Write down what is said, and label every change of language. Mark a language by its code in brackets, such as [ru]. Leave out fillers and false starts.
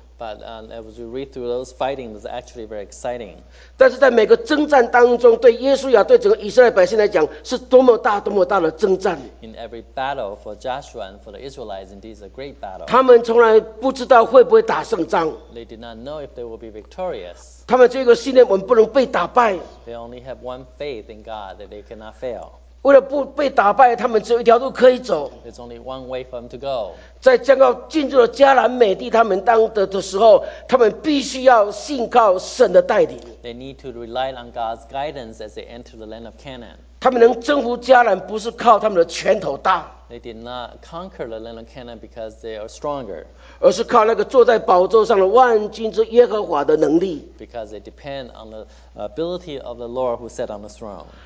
[en] But as we read through those fightings, it's actually very exciting. [zh] 但是在每个征战当中，对耶稣雅、对整个以色列百姓来讲，是多么大、多么大的征战！ [en] In every battle for Joshua and for the Israelites, indeed, is a great battle. [zh] 他们从来不知道会不会打胜仗。 [en] They did not know if they will be victorious. [zh] 他们只有一个信念，我们不能被打败。 [en] They only have one faith in God that they cannot fail. [zh] 为了不被打败，他们只有一条路可以走。 [en] There's only one way for them to go. [zh] 在将要进入迦南美地他们当的时候，他们必须要信靠神的带领。 [en] They need to rely on God's guidance as they enter the land of Canaan. [zh] 他们能征服迦南，不是靠他们的拳头大。 [en] They did not conquer the land of Canaan because they are stronger. [zh] 而是靠那个坐在宝座上的万军之耶和华的能力。 [en] Because they depend on the ability of the Lord who sat on the throne.